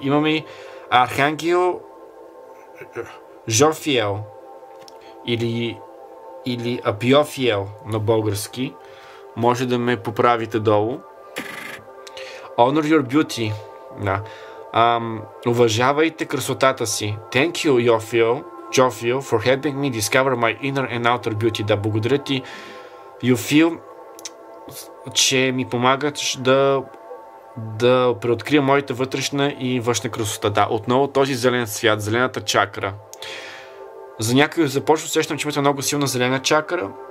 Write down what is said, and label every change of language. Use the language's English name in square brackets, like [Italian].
[Bulgarian] Имаме и Архангел Жофиел или Апиофиел на български. Може да ме поправите долу. [English] Honor your beauty. [Bulgarian] Да. Уважавайте красотата си. [English] Thank you, Jofiel, for helping me discover my inner and outer beauty. [Bulgarian] Да, благодаря ти, Jofiel, че ми помагаш да преоткрия моята вътрешна и външна красота. Да, отново този зелен свят, зелената чакра. За някои започва, усещам, че имате много силна зелена чакра.